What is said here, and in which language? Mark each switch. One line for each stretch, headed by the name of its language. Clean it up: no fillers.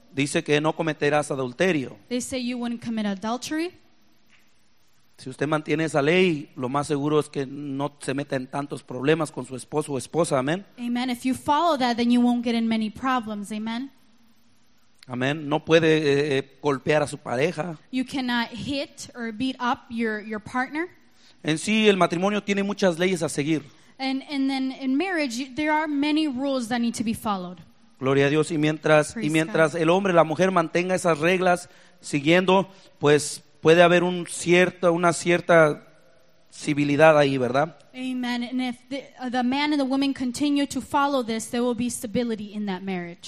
Spanish: Dice que no cometerás adulterio.
English: They say you wouldn't commit adultery.
Spanish: Si usted mantiene esa ley, lo más seguro es que no se meta en tantos problemas con su esposo o esposa. Amén.
English: Amen. If you follow that, then you won't get in many problems. Amen.
Spanish: Amén. No puede golpear a su pareja.
English: You cannot hit or beat up your partner.
Spanish: En sí, el matrimonio tiene muchas leyes a seguir.
English: And then in marriage, there are many rules that need to be followed.
Spanish: Gloria a Dios. Y mientras el hombre, la mujer mantenga esas reglas, siguiendo, pues puede haber una cierta civilidad ahí, ¿verdad?
English: Amen. And if the man and the woman continue to follow this, there will be stability in that marriage.